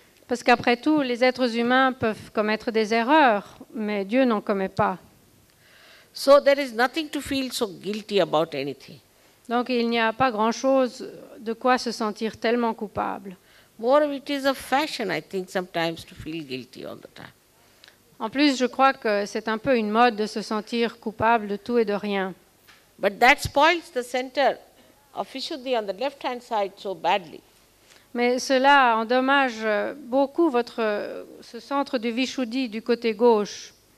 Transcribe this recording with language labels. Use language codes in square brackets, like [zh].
[fr] Parce qu'après tout, les êtres humains peuvent commettre des erreurs, mais Dieu n'en commet pas. [en] So there is nothing to feel so guilty about anything. [fr] Donc il n'y a pas grand-chose de quoi se sentir tellement coupable. [en] More it is a fashion, I think, sometimes to feel guilty all the time. [fr] En plus, je crois que c'est un peu une mode de se sentir coupable de tout et de rien. [en] But that spoils the center of Vishuddhi on the left-hand side so badly. [fr] Mais cela endommage beaucoup votre ce centre du Vishuddhi du côté gauche.